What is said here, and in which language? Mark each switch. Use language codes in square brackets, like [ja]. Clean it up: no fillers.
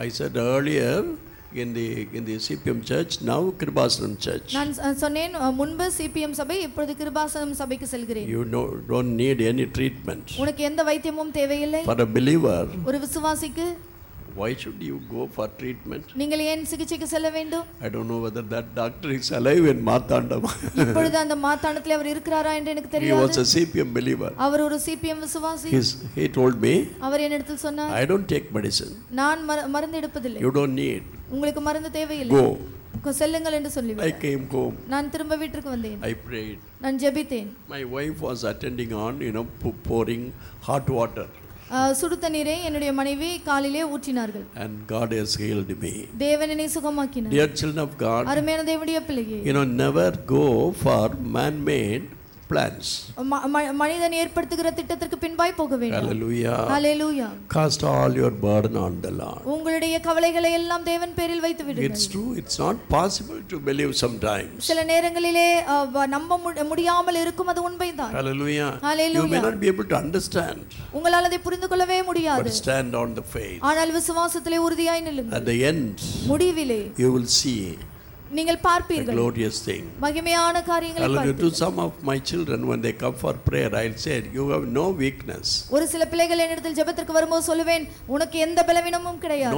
[en] I said earlier in the CPM church, now Kribasanam church. [ta] நான் சொன்னேன், முன்பு CPM சபை, இப்பொழுது கிருபாசனம் சபைக்கு செல்கிறேன். [en] You don't need any treatment. [ta] உனக்கு எந்த வைத்தியமும் தேவையில்லை. [en] For a believer, [ta] ஒரு விசுவாசிக்கு, [en] why should you go for treatment? [ta] நீங்கள் ஏன் சிகிச்சைக்கு செல்ல வேண்டும்? [en] I don't know whether that doctor is alive in Marthandam. [ta] இப்பொழுது அந்த மார்த்தாண்டத்தில் அவர் இருக்கிறாரா என்று எனக்கு தெரியாது. [en] He was a CPM believer. [ta] அவர் ஒரு CPM விசுவாசி. [en] He told me, [ta] அவர் என்னிடத்தில் சொன்னார், [en] I don't take medicine. [ta] நான் மருந்து எடுப்பதில்லை. [en] You don't need. [ta] உங்களுக்கு மருந்து தேவையில்லை. [en] Go. [ta] செல்லுங்கள் என்று சொல்லிவிட்டு [en] I came home. [ta] நான் திரும்ப வீட்டுக்கு வந்தேன். [en] I prayed. [ta] நான் ஜெபித்தேன். [en] My wife was attending on, you know, pouring hot water. [ta] சுடுத்த நீரை என்னுடைய மனைவி காலிலே ஊற்றினார்கள். [en] And God has healed me. [ta] தேவன் என்னை சுகமாக்கினார். [en] Dear children of God, [ta] அருமையான தேவனுடைய பிள்ளையே, [en] you know, never go for man-made plans. [ta] மனிதன் ஏற்படுத்துகிற திட்டத்திற்கு பின்பாய் போக வேண்டும். Hallelujah. Hallelujah. [en] Cast all your burden on the Lord. [ta] உங்களுடைய கவலைகளை எல்லாம் தேவன் பேரில் வைத்து விடுங்கள். [en] It's true, it's not possible to believe sometimes. [ta] சில நேரங்களிலே நம்ப முடியாமல் இருக்கும், அது உண்மைதான். Hallelujah. Hallelujah. [en] You may not be able to understand. [ta] உங்களால் அதை புரிந்து கொள்ளவே முடியாது. [en] But stand on the faith. [ta] ஆனால் விசுவாசத்திலே உறுதியாய் நில்லுங்கள். [en] At the end, [ta] முடிவிலே, [en] you will see, [ta] நீங்கள் பார்ப்பீர்கள், [en] glorious thing, [ta] மகிமையான காரியங்களை பார்ப்பீர்கள். [en] To some of my children, when they come for prayer, I'll say, you have no weakness. [ta] ஒரு சில பிள்ளைகள் என்னிடத்தில் ஜெபத்திற்கு வரும்போது சொல்லுவேன், உனக்கு எந்த பலவீனமும் கிடையாது.